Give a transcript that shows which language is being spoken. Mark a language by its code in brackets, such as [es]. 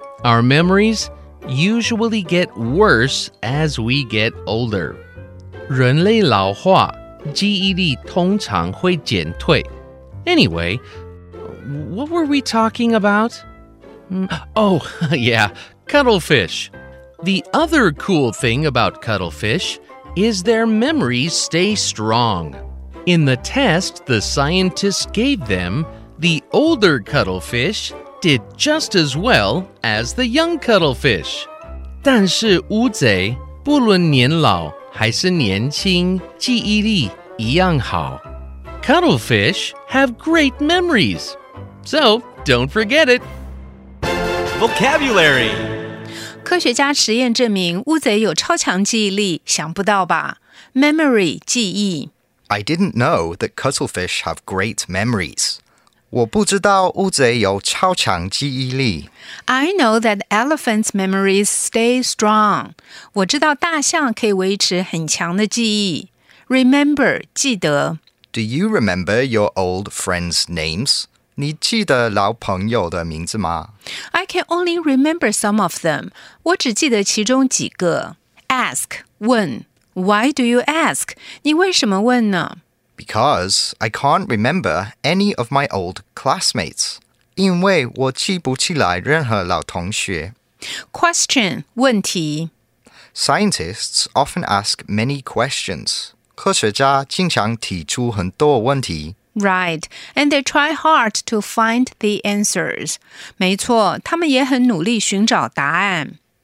[en] Our memories usually get worse as we get older. [zh] 人类老化，记忆力通常会减退。 [en] Anyway, what were we talking about? Oh, yeah, cuttlefish. The other cool thing about cuttlefish is their memories stay strong. In the test the scientists gave them, the older cuttlefish did just as well as the young cuttlefish. [zh] 但是乌贼不论年老还是年轻，记忆力一样好。 [en] Cuttlefish have great memories, so don't forget it. Vocabulary. [zh] 科学家实验证明乌贼有超强记忆力，想不到吧 ？Memory 记忆。 [en] I didn't know that cuttlefish have great memories. [zh] 我不知道乌贼有超强记忆力。 [en] I know that elephants' memories stay strong. [zh] 我知道大象可以维持很强的记忆。 [en] Remember, [zh] 记得。 [en] Do you remember your old friends' names? [zh] 你记得老朋友的名字吗 [en] ？I can only remember some of them. [zh] 我只记得其中几个。 [en] Ask, [zh] 问。 [en] Why do you ask? [zh] 你为什么问呢？ [en] Because I can't remember any of my old classmates. [zh] 因为我记不起来任何老同学。 [en] Question, [zh] 问题。 [en] Scientists often ask many questions. [zh] 科学家经常提出很多问题。 [en] Right, and they try hard to find the answers. [zh] 没错，他们也很努力寻找答案。